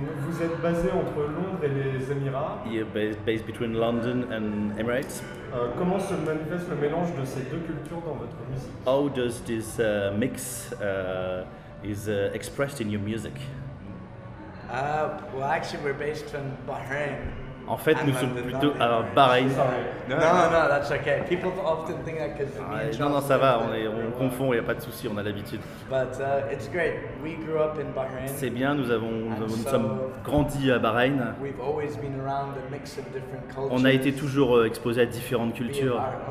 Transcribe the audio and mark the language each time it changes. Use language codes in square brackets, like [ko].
[fr] Vous êtes basé entre Londres et les Émirats. [en] You're based between London and Emirates. [fr] Comment se manifeste le mélange de ces deux cultures dans votre musique? [en] How does this mix is expressed in your music? Well, actually, we're based from Bahrain. [fr] En fait, nous sommes plutôt à Bahreïn. [en] Non, that's okay. People often think that because me and Charles. [fr] Non, ça va. On confond. Il y a pas de souci. On a l'habitude. [en] But it's great. We grew up in Bahrain. [fr] C'est bien. Nous sommes grandis à Bahreïn. [en] We've always been around a mix of different cultures. [fr] On a été toujours exposé à différentes cultures.